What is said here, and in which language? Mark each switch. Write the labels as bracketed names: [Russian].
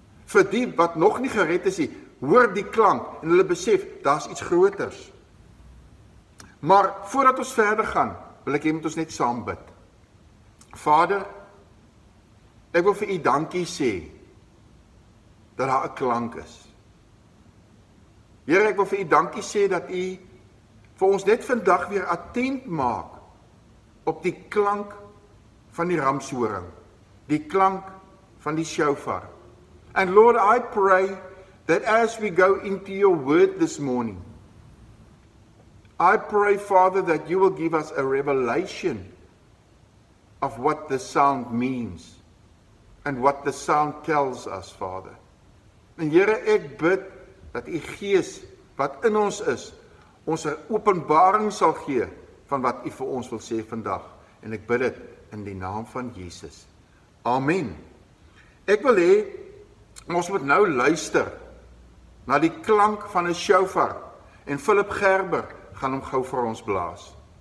[Afrikaans] Vir die wat nog nie gered is, hoor die klank en hulle besef, daar is iets groters. Maar voordat ons verder gaan, wil ek hier met ons net saam bid. Vader, ek wil vir u dankie sê, dat daar 'n klank is. Heer, ek wil vir u dankie sê, dat u vir ons net vandag weer attent maak, op die klank van die ramshoring, die klank van die shofar. [English] And Lord, I pray, that as we go into your word this morning, I pray, Father, that you will give us a revelation of what the sound means and what the sound tells us, Father. [Afrikaans] En Here, ek bid dat die Gees wat in ons is, ons 'n openbaring sal gee van wat u vir ons wil sê vandag. En ek bid het in die naam van Jesus. Amen. Ek wil hê, ons moet nou luister na die klank van 'n shofar en Philip Gerber gaan hom gauw vir ons blaas.